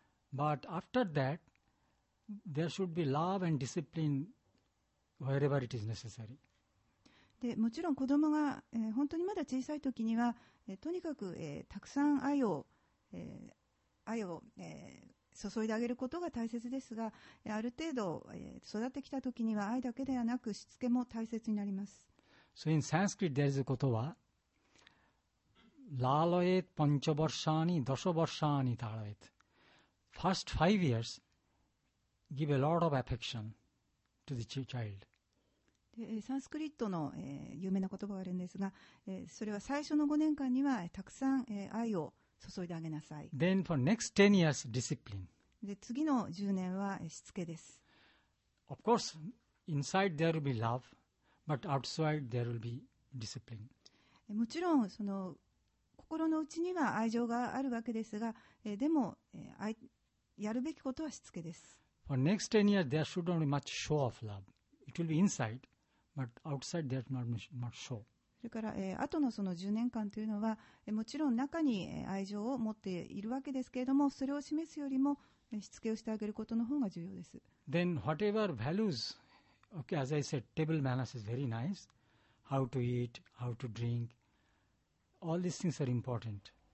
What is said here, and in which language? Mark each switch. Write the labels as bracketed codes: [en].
[en] But after that, there should be love and discipline wherever it is necessary. [ja] で、もちろん子供が、本当にまだ小さい時には、とにかく、たくさん愛を、注いであげることが大切ですが、ある程度、育ってきた時には愛だけではなくしつけも大切になります。 [en] So in Sanskrit there is a kotova, [sa] Laloet panchabarshani dashabarshani taloet. [en] First 5 years, give a lot of affection to the child. [ja] サンスクリットの、有名な言葉があるんですが、それは最初の5年間にはたくさん、愛を注いであげなさい。 [en] Then for next 10 years, discipline. [ja] で次の10年は、しつけです。 [en] Of course, inside there will be love, but outside there will be discipline. [ja] もちろんその心の内には愛情があるわけですが、でも、やるべきことはしつけです。 [en] For next 10 years, there should not be much show of love. It will be inside, but outside there should not be much show. [ja] それから、後のその10年間というのは、もちろん中に愛情を持っているわけですけれども、それを示すよりも、しつけをしてあげることの方が重要です。 [en] Then whatever values, okay, as I said, table manners is very nice. How to eat, how to drink, all these things are important.